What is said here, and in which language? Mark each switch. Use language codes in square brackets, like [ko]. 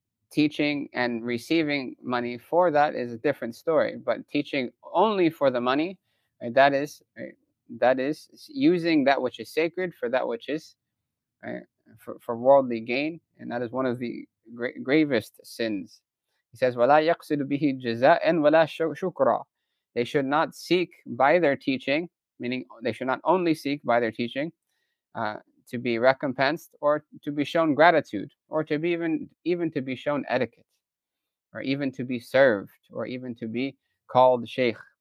[en] Teaching and receiving money for that is a different story. But teaching only for the money, right, that is using that which is sacred for that which is for worldly gain. And that is one of the gravest sins. [ar] He says, وَلَا يَقْصِدُ بِهِ جَزَاءً وَلَا شُكْرًا. [en] They should not seek by their teaching, meaning they should not only seek by their teaching, to be recompensed or to be shown gratitude or to be even to be shown etiquette or even to be served or even to be called sheikh.